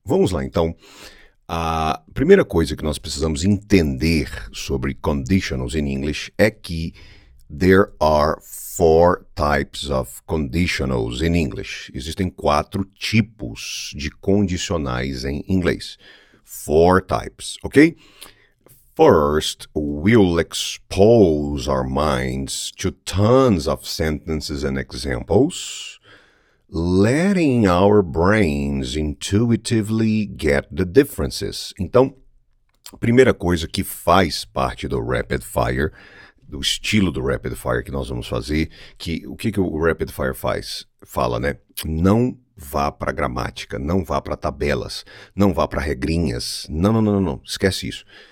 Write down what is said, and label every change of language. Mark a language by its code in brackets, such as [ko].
[pt] Vamos lá então. A primeira coisa que nós precisamos entender sobre [en] conditionals in English [pt] é que [en] there are 4 types of conditionals in English. [pt] Existem 4 tipos de condicionais em inglês. [en] 4 types, ok? First, we'll expose our minds to tons of sentences and examples, letting our brains intuitively get the differences. [pt] Então, primeira coisa que faz parte do Rapid Fire, do estilo do Rapid Fire que nós vamos fazer, que o que, que o Rapid Fire faz? Fala, né? Não vá para gramática, não vá para tabelas, não vá para regrinhas. Não. Esquece isso.